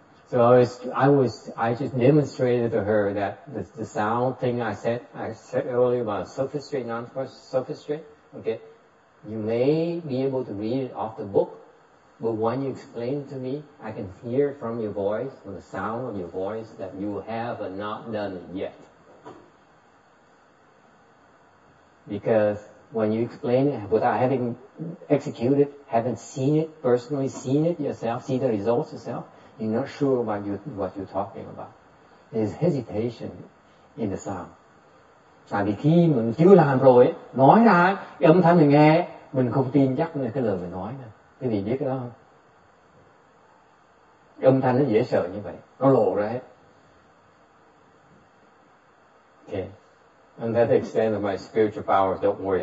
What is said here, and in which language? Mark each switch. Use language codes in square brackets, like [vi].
[en] So I just demonstrated to her that the sound thing I said earlier about sophistry, non-sophistry, okay, you may be able to read it off the book, but when you explain it to me, I can hear from your voice, from the sound of your voice, that you have not done it yet. Because when you explain it without having executed, haven't seen it, personally seen it yourself, see the results yourself, you're not sure about what you're talking about. There's hesitation in the sound. [vi] Tại vì khi mình chưa làm rồi, nói ra, cái âm thanh mình nghe, mình không tin chắc nữa cái lời mình nói nữa. Cái gì biết đó không? Cái âm thanh nó dễ sợ như vậy. Nó lộ ra hết. [en] Okay. And that extent of my spiritual power, don't worry.